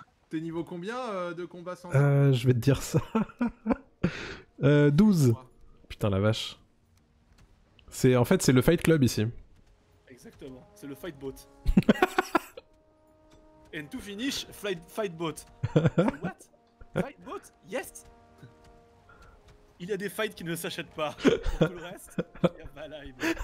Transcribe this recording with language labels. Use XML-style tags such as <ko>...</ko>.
<fr>T'es niveau combien de combat sans Je vais te dire ça. 12. Putain la vache. C'est le Fight Club ici. Exactement, c'est le Fight Boat.</fr> <en>And to finish, Fight Boat. What? Fight Boat? Yes.</en> <fr>Il y a des fights qui ne s'achètent pas. Pour tout le reste, il y a Valheim.</fr>